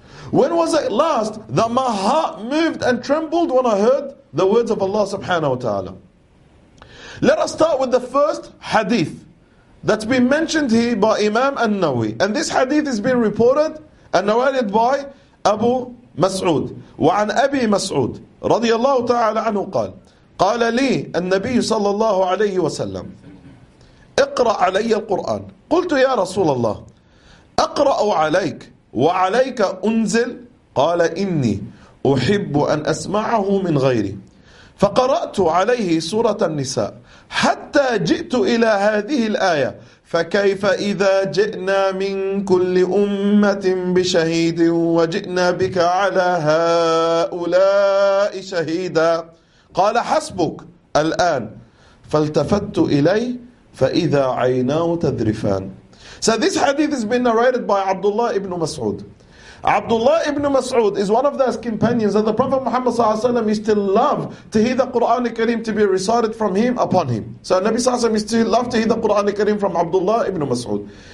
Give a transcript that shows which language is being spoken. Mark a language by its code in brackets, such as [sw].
[en] When was it last that my heart moved and trembled when I heard the words of Allah subhanahu wa ta'ala? Let us start with the first hadith that's been mentioned here by Imam An-Nawi. And this hadith has been reported and narrated by Abu Mas'ud. [ar] وعن أبي مسعود رضي الله تعالى عنه قال قال لي النبي صلى الله عليه وسلم اقرأ علي القرآن قلت يا رسول الله أقرأ عليك وعليك أنزل قال إني أحب أن أسمعه من غيري فقرأت عليه سورة النساء حتى جئت إلى هذه الآية فكيف إذا جئنا من كل أمة بشهيد وجئنا بك على هؤلاء شهيدا قال حسبك الآن فالتفت إليه فإذا عيناه تذرفان. [en] So this hadith has been narrated by Abdullah ibn Mas'ud. Abdullah ibn Mas'ud is one of those companions that the Prophet Muhammad sallallahu alaihi wasallam still loved to hear the Quran al-Kareem to be recited from him upon him. So Nabi sallallahu alaihi wasallam still loved to hear the Quran al-Kareem from Abdullah ibn Mas'ud.